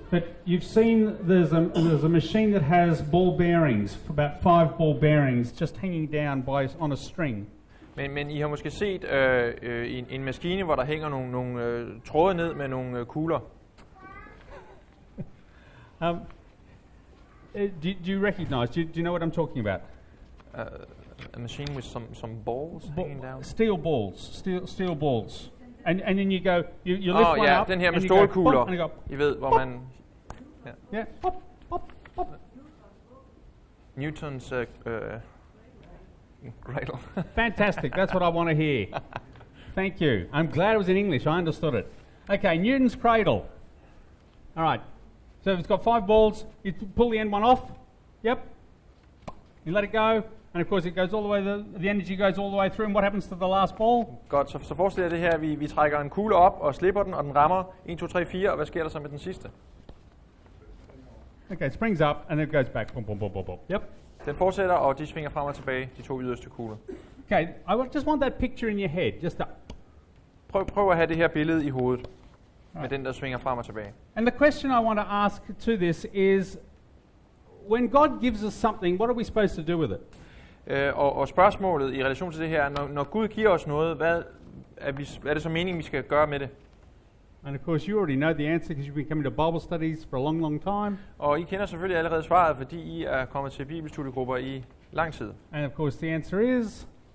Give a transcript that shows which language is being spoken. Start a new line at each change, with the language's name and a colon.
English: But you've seen there's a machine that has ball bearings, about 5 ball bearings, just hanging down by on a string.
Danish: Men I har måske set en maskine, hvor der hænger nogle tråde ned med nogle kugler.
English: Do you recognize? Do you know what I'm talking about? A machine with some balls hanging down. Steel balls. And then you go, you lift one yeah, up.
Danish: Den her med stålkugler. I ved, hvor man. Ja. Pop, pop, pop.
English: Newton's cradle. Fantastic. That's what I want to hear. Thank you. I'm glad it was in English. I understood it. Okay, Newton's cradle. All right. So if it's got 5 balls, you pull the end one off. Yep. You let it go. And of course it goes all the way, the energy goes all the way through. And what happens to the last ball?
Danish: Godt, så forestiller jeg det her, vi trækker en kugle op og slipper den, og den rammer 1, 2, 3, 4. Og hvad sker der så med den sidste?
English: Okay, it springs up and it goes back. Boom, boom, boom, boom, boom. Yep.
Danish: Den fortsætter, og de svinger frem og tilbage, de to yderste kugler.
English: Okay, I just want that picture in your head. Just a
Danish: prøv at have det her billede i hovedet. Right. Med den, der svinger frem og tilbage.
English: And the question I want to ask to this is, when God gives us something, what are we supposed to do with it?
Danish: Og spørgsmålet i relation til det her er, når Gud giver os noget, hvad er det så meningen, vi skal gøre med det?
English: And of course you already know the answer because you've been coming to Bible studies for a long, long time.
Danish: Og I kender selvfølgelig allerede svaret, fordi I er kommet til bibelstudiegrupper i lang tid.
English: And of course the answer is?